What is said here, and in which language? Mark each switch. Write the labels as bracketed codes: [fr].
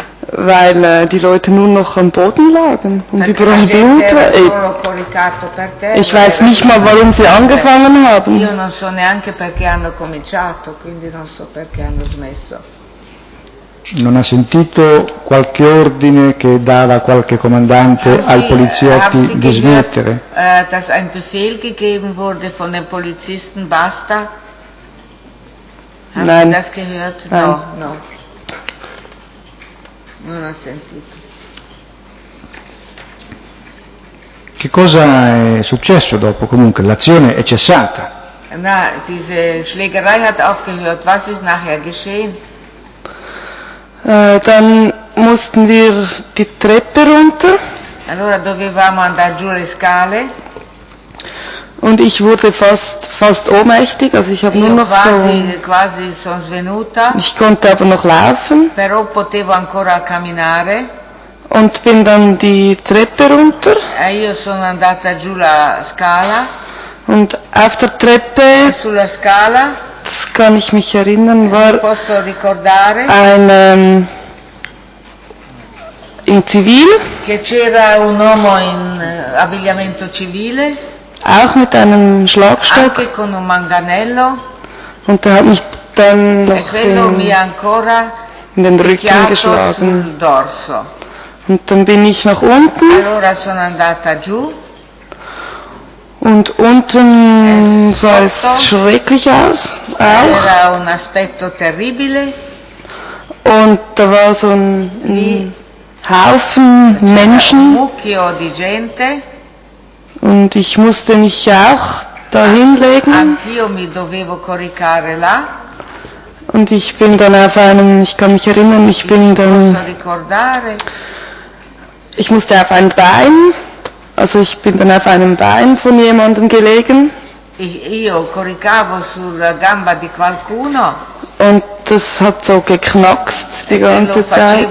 [de] Weil die Leute nur noch am Boden lagen und dann überall Blut war. Ich weiß nicht mal, warum sie angefangen haben. [it] Io non so neanche perché hanno cominciato, quindi non so perché hanno smesso. Non ha sentito qualche ordine che dava qualche comandante ai poliziotti di smettere? [de] Dass ein Befehl gegeben wurde von den Polizisten, basta. Nein. Haben Sie das gehört? Nein. [it] No, no. Non ha sentito. Che cosa è successo dopo? Comunque l'azione è cessata. [de] Na, diese Schlägerei hat aufgehört. Was ist nachher geschehen? Dann mussten wir die Treppe runter. [it] Allora dovevamo andare giù le scale. [de] Und ich wurde fast ohnmächtig, also ich habe nur noch [it] quasi sono svenuta. [de] Ich konnte aber noch laufen. [it] Però potevo ancora camminare. [de] Und bin dann die Treppe runter. [it] E io sono andata giù la scala. [de] Und auf der Treppe. [it] E sulla scala. [de] Das kann ich mich erinnern, war. [it] Posso ricordare. [de] Ein in Zivil. [it] Che c'era un uomo in abbigliamento civile. [de] Auch mit einem Schlagstock. [it] Anche con un manganello. [de] Und er hat mich dann noch in den Rücken geschlagen. [it] Sul dorso. [de] Und dann bin ich nach unten. [it] Allora sono andata giù. [de] Und unten sah es schrecklich aus. Auch. [it] Era un aspetto terribile. [de] Und da war so ein Haufen Menschen. [it] C'era un mucchio di gente. [de] Und ich musste mich auch dahin legen. [it] Anch'io mi dovevo coricare là. [de] Und ich bin dann auf einem, ich kann mich erinnern, ich bin dann. [it] Posso ricordare. [de] Ich musste auf ein Bein, also ich bin dann auf einem Bein von jemandem gelegen. [it] Io coricavo sulla gamba di qualcuno. [de] Und das hat so geknackst die ganze Zeit.